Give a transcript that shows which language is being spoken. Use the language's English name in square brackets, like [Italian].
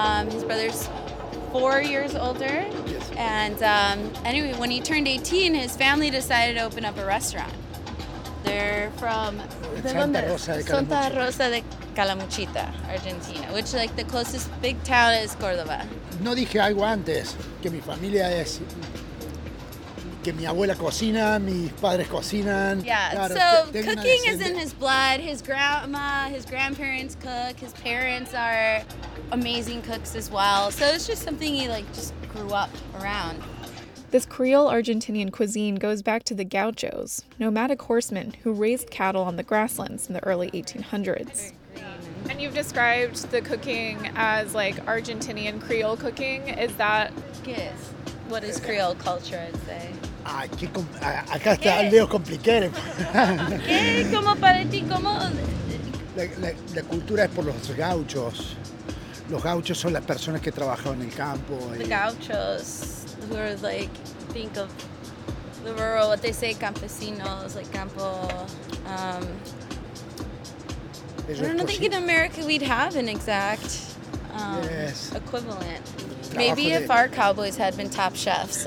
[English] His brother's 4 years older. Yes. And anyway, when he turned 18, his family decided to open up a restaurant. They're from Santa Rosa de Calamuchita, Argentina, which like the closest big town is Córdoba. [Spanish] No dije algo antes, que mi familia es, que mi abuela cocina, mis padres cocinan. [English] Yeah, claro, so cooking is in his blood. His grandma, his grandparents cook, his parents are amazing cooks as well. So it's just something he like just grew up around. This Creole-Argentinian cuisine goes back to the gauchos, nomadic horsemen who raised cattle on the grasslands in the early 1800s. And you've described the cooking as like Argentinian Creole cooking. Is that... Yes. What is Creole culture, I'd say? [Spanish] Ah, qué acá está el lío complicado. ¿Qué? ¿Cómo para ti? ¿Cómo...? La cultura es por los gauchos. Los gauchos son las personas que trabajan en el campo. [English] The gauchos... who are like, think of the rural, what they say, campesinos, like campo. I don't think in America we'd have an exact equivalent. Maybe if our cowboys had been top chefs.